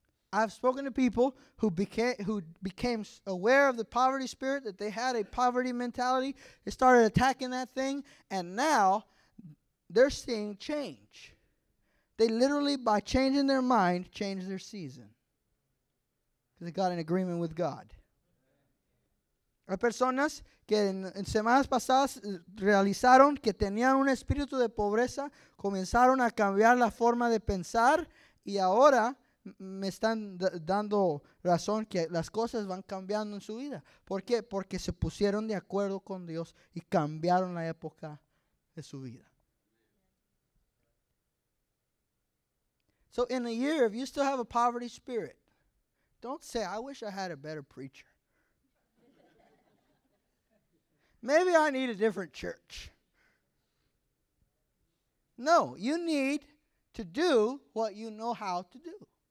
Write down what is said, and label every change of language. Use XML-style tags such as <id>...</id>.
<en>I've spoken to people who became aware of the poverty spirit, that they had a poverty mentality. They started attacking that thing, and now they're seeing change. They literally, by changing their mind, changed their season. Because they got an agreement with God.</en> <es>Hay personas que en semanas pasadas realizaron que tenían un espíritu de pobreza, comenzaron a cambiar la forma de pensar, y ahora me están dando razón que las cosas van cambiando en su vida. ¿Por qué? Porque se pusieron de acuerdo con Dios y cambiaron la época de su vida.</es> <en>So in a year, if you still have a poverty spirit, don't say, I wish I had a better preacher. Maybe I need a different church. No, you need to do what you know how to do.</en>